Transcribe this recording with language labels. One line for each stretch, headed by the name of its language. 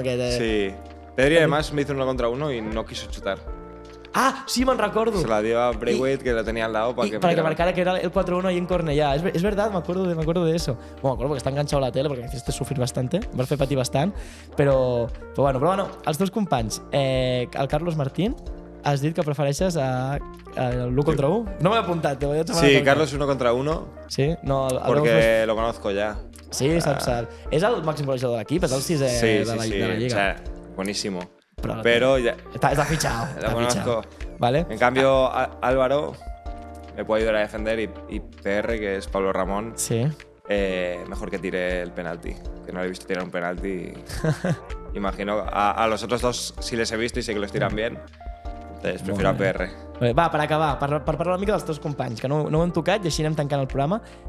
Spanish: Sí. Pedri, además, me hizo 1 contra 1 y no quiso chutar.
Catalan: Ah, sí, me'n recordo.
Spanish: Se la dio a Braithwaite, que la tenia al lado. Para que marcara que era el 4-1 ahí en Cornellà. Es verdad, me acuerdo de eso. Bueno, me acuerdo porque está enganchado a la tele, porque me hiciste sufrir bastante,
Catalan: me vas fer patir bastant. Però bueno, els teus companys, el Carlos Martín, has dit que prefereixes l'1 contra 1. No m'he apuntat. Sí, Carlos 1 contra 1. Sí, no.
Spanish: Porque lo conozco ya.
Catalan: Sí, saps. És el màxim golejador de l'equip, és el 6 de la Lliga.
Spanish: Sí, buenísimo. Pero ya... Está fichado. Lo conozco. ¿Vale? En cambio, Álvaro me puede ayudar a defender y PR, que es Pablo Ramón, sí, mejor que tire el penalti. Que no lo he visto tirar un penalti. Imagino. A los otros dos sí les he visto y sé que los tiran bien. Entonces, prefiero a PR.
Catalan: Vale, va,
Spanish: para acabar,
Catalan: para parlar una mica dels teus companys, que no ho hem tocat i així anem tancant el programa.